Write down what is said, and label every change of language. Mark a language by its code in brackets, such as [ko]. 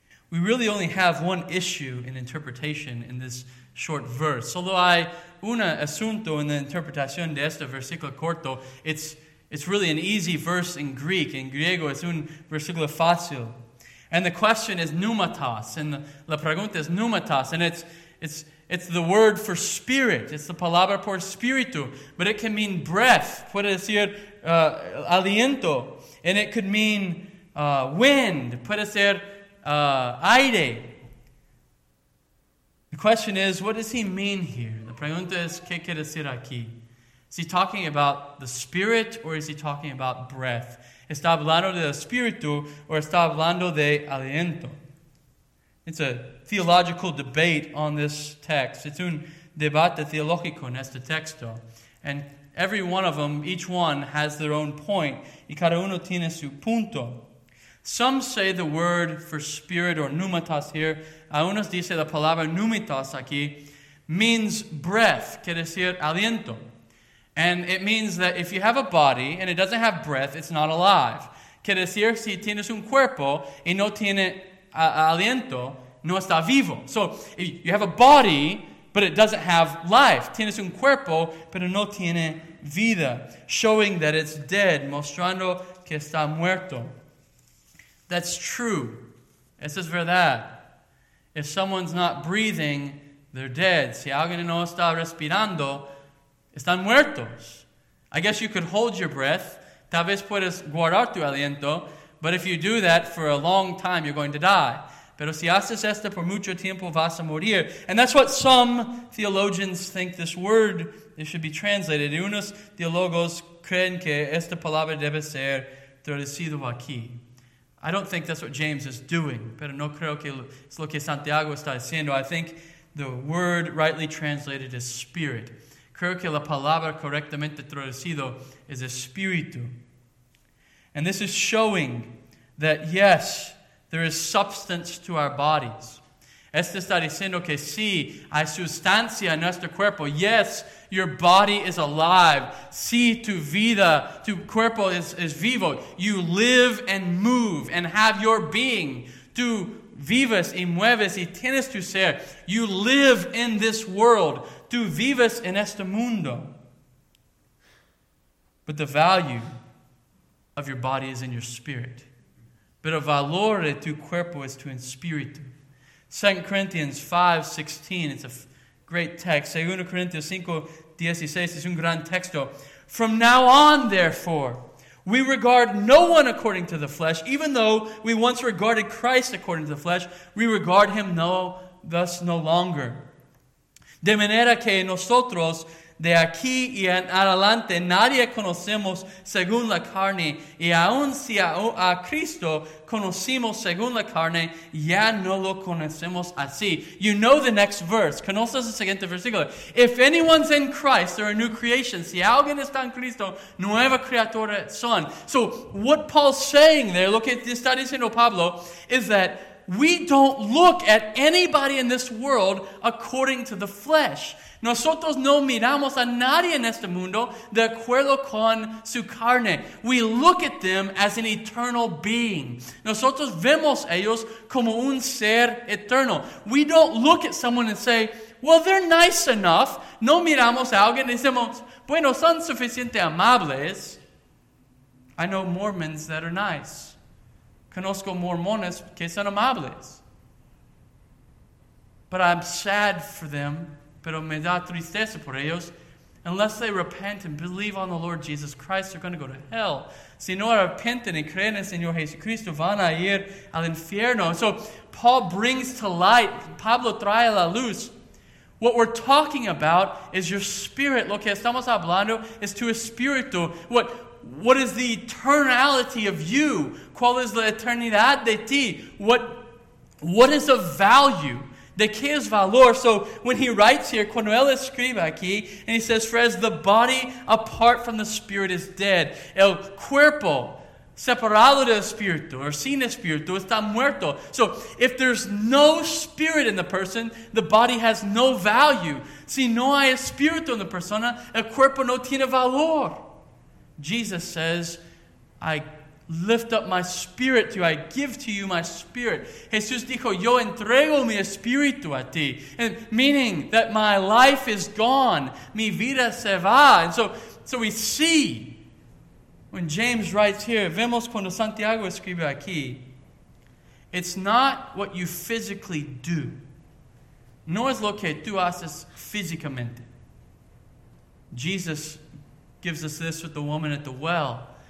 [en] We really only have one issue in interpretation in this short verse. [es] Solo hay un asunto en la interpretación de este versículo corto. [en] It's really an easy verse in Greek. [es] En griego es un versículo fácil. [en] And the question is pneumatos. [es] And la pregunta es pneumatos. [en] And it's the word for spirit. It's the [es] palabra por espíritu. [en] But it can mean breath. [es] Puede decir aliento. [en] And it could mean wind. [es] Puede ser aire. [en] The question is, what does he mean here? [es] La pregunta es, ¿qué quiere decir aquí? [en] Is he talking about the spirit or is he talking about breath? [es] ¿Está hablando de espíritu o está hablando de aliento? [en] It's a theological debate on this text. It's [es] un debate teológico en este texto. [en] And every one of them, each one, has their own point. [es] Y cada uno tiene su punto. [en] Some say the word for spirit or pneumatos here, [es] a unos dice la palabra pneumatos aquí, [en] means breath, [es] quiere decir aliento. [en] And it means that if you have a body and it doesn't have breath, it's not alive. [es] Quiere decir si tienes un cuerpo y no tiene aliento, no está vivo. [en] So, you have a body, but it doesn't have life. [es] Tienes un cuerpo, pero no tiene vida. [en] Showing that it's dead. [es] Mostrando que está muerto. [en] That's true. [es] Eso es verdad. [en] If someone's not breathing, they're dead. [es] Si alguien no está respirando, están muertos. [en] I guess you could hold your breath. [es] Tal vez puedes guardar tu aliento. [en] But if you do that for a long time, you're going to die. [es] Pero si haces esto por mucho tiempo, vas a morir. [en] And that's what some theologians think this word it should be translated. [es] Y unos teólogos creen que esta palabra debe ser traducido aquí. [en] I don't think that's what James is doing, [es] pero no creo que es lo que Santiago está haciendo. [en] I think the word rightly translated is spirit. [es] Creo que la palabra correctamente traducido es espíritu. [en] And this is showing that, yes, there is substance to our bodies. [es] Este está diciendo que sí, hay sustancia en nuestro cuerpo. [en] Yes, your body is alive. [es] Sí, tu vida, tu cuerpo es vivo. [en] You live and move and have your being. [es] Tú vives y mueves y tienes tu ser. [en] You live in this world. [es] Tú vives en este mundo. [en] But the value of your body is in your spirit. [es] Pero valor de tu cuerpo es tu espíritu. [en] 2 Corinthians 5:16, it's a great text. 2 Corinthians 5:16 is [es] un gran texto. [en] From now on, therefore, we regard no one according to the flesh, even though we once regarded Christ according to the flesh, we regard him no longer. [es] De manera que nosotros, de aquí y en adelante, nadie conocemos según la carne, y aun si a Cristo conocimos según la carne, ya no lo conocemos así. [en] You know the next verse. [es] Conoces el siguiente versículo. [en] If anyone's in Christ, they're a new creation. [es] Si alguien está en Cristo, nueva criatura son. [en] So what Paul's saying there, [es] lo que está diciendo Pablo, [en] is that we don't look at anybody in this world according to the flesh. [es] Nosotros no miramos a nadie en este mundo de acuerdo con su carne. [en] We look at them as an eternal being. [es] Nosotros vemos ellos como un ser eterno. [en] We don't look at someone and say, well, they're nice enough. [es] No miramos a alguien y decimos, bueno, son suficientemente amables. [en] I know Mormons that are nice. [es] Conozco mormones que son amables. [en] But I'm sad for them. [es] Pero me da tristeza por ellos. [en] Unless they repent and believe on the Lord Jesus Christ, they're going to go to hell. [es] Si no arrepenten y creen en Señor Jesucristo, van a ir al infierno. [en] So Paul brings to light, [es] Pablo trae la luz. [en] What we're talking about is your spirit. [es] Lo que estamos hablando es tu espíritu. [en] What is the eternality of you? [es] ¿Cuál es la eternidad de ti? [en] What is of value? [es] ¿De qué es valor? [en] So when he writes here, [es] cuando él escribe aquí, [en] and he says, for as the body apart from the spirit is dead, [es] el cuerpo separado del espíritu, or sin espíritu, está muerto. [en] So if there's no spirit in the person, the body has no value. [es] Si no hay espíritu en la persona, el cuerpo no tiene valor. [en] Jesus says, I lift up my spirit to you. I give to you my spirit. [es] Jesús dijo, yo entrego mi espíritu a ti. [en] And meaning that my life is gone. [es] Mi vida se va. [en] And so we see when James writes here, [es] vemos cuando Santiago escribe aquí, [en] it's not what you physically do. [es] No es lo que tú haces físicamente. [en] Jesus gives us this with the woman at the well.